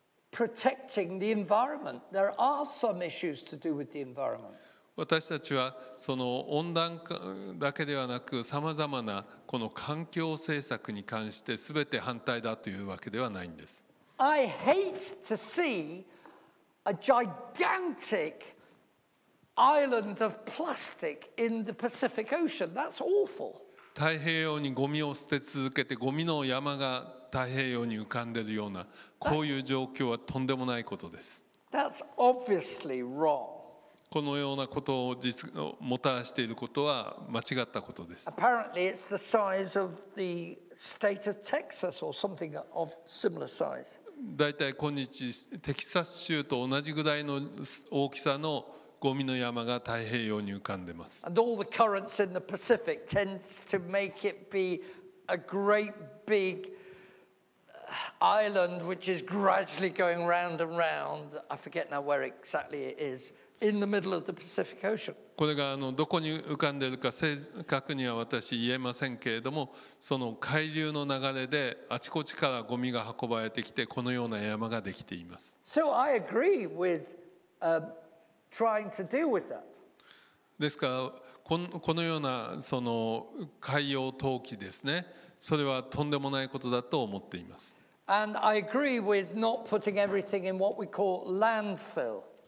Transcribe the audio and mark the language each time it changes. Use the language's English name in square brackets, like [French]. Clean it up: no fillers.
[English] Protecting the environment. There are some issues to do with the environment. [Japanese] 私たちはその温暖化だけではなく、さまざまなこの環境政策に関して全て反対だというわけではないんです。 [English] I hate to see a gigantic island of plastic in the Pacific Ocean. That's awful. [Japanese] 太平洋にゴミを捨て続けてゴミの山が太平洋に浮かんでいるようなこういう状況はとんでもないことです。 [English] That's obviously wrong. [Japanese] このようなことを実もたらしていることは間違ったことです。 [English] Apparently it's the size of the state of Texas or something of similar size. [Japanese] だいたい今日テキサス州と同じぐらいの大きさのゴミの山が太平洋に浮かんでます。 [English] And all the currents in the Pacific tends to make it be a great bigIsland, which is gradually going round and round. I forget now where exactly it is in the middle of the Pacific Ocean. [Japanese] これがどこに浮かんでいるか正確には私言えませんけれども、その海流の流れであちこちからゴミが運ばれてきてこのような山ができています。 [English] So I agree with trying to deal with that. [Japanese] ですからこのようなその海洋投棄ですね。それはとんでもないことだと思っています。 [English] And I agree with not putting everything in what we call landfill.